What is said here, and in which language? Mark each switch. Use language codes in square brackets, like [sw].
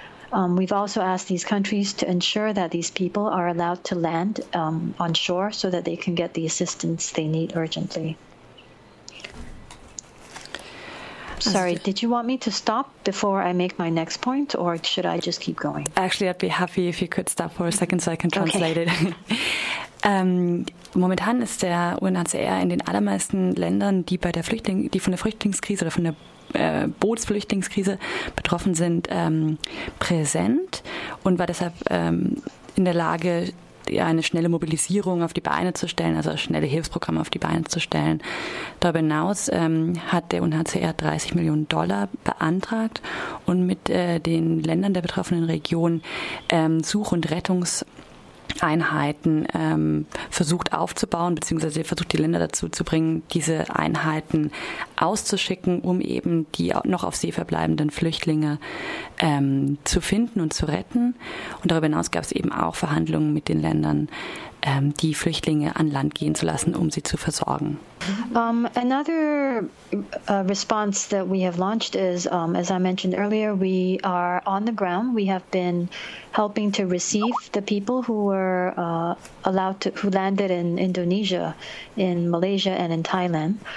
[en] We've also asked these countries to ensure that these people are allowed to land on shore so that they can get the assistance they need urgently. Sorry, did you want me to stop before I make my next point, or should I just keep going? Actually, I'd be happy if you could stop for a second so I can translate it. [de] Momentan ist der UNHCR in den allermeisten Ländern, die von der Flüchtlingskrise oder von der Bootsflüchtlingskrise betroffen sind, präsent und war deshalb in der Lage, eine schnelle Mobilisierung auf die Beine zu stellen, also schnelle Hilfsprogramme auf die Beine zu stellen. Darüber hinaus hat der UNHCR $30 Millionen beantragt und mit den Ländern der betroffenen Region Such- und Rettungseinheiten versucht aufzubauen, beziehungsweise versucht die Länder dazu zu bringen, diese Einheiten auszuschicken, um eben die noch auf See verbleibenden Flüchtlinge zu finden und zu retten. Und darüber hinaus gab es eben auch Verhandlungen mit den Ländern, die Flüchtlinge an Land gehen zu lassen, um sie zu versorgen. [en] Another response that we have launched is, as I mentioned earlier, we are on the ground. We have been helping to receive the people who were who landed in Indonesia, in Malaysia, and in Thailand.